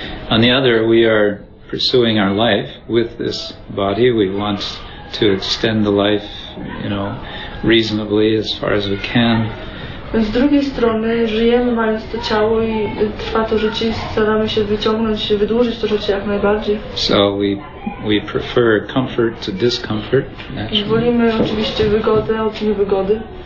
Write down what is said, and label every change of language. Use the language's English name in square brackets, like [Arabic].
[English] On the other, we are pursuing our life with this body. We want to extend the life, you know, reasonably as far as we can. [Polish] Z drugiej strony żyjemy mając to ciało i trwa to życie, staramy się wyciągnąć, wydłużyć to życie jak najbardziej. [English] So we prefer comfort to discomfort. [Polish] I wolimy oczywiście wygodę od niewygody.